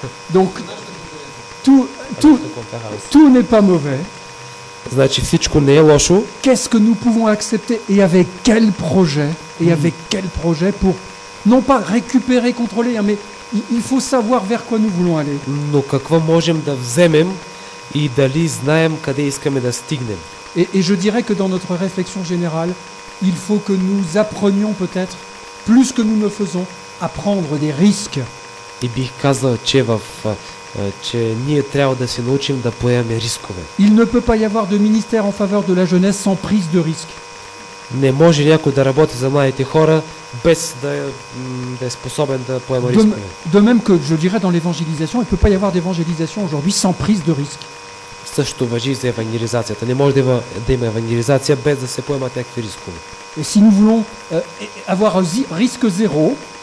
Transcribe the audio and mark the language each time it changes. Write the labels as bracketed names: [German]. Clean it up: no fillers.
[French] Donc tout n'est pas mauvais. [Bulgarian] Значи всичко не е лошо. [French] Qu'est-ce que nous pouvons accepter et avec quel projet et avec quel projet pour non pas récupérer, contrôler, mais il faut savoir vers quoi nous voulons aller. [Bulgarian] Но какво можем да вземем и дали знаем къде искаме да стигнем? [French] Et je dirais que dans notre réflexion générale, il faut que nous apprenions peut-être plus que nous ne faisons à prendre des risques. [Bulgarian] И бих казал, че ние трябва да се научим да поемем рискове. [French] Il ne peut pas y avoir de ministère en faveur de la jeunesse sans prise de risque. [Bulgarian] Не може някой да работи за младите хора без да е способен да поема рискове. [French] De même que je dirais dans l'évangélisation, il peut pas y avoir d'évangélisation aujourd'hui sans prise de risque. [Bulgarian] Също важи за евангелизацията. Не може да има евангелизация без да се поемат някакви рискове. [French] Et si nous voulons avoir risque zéro,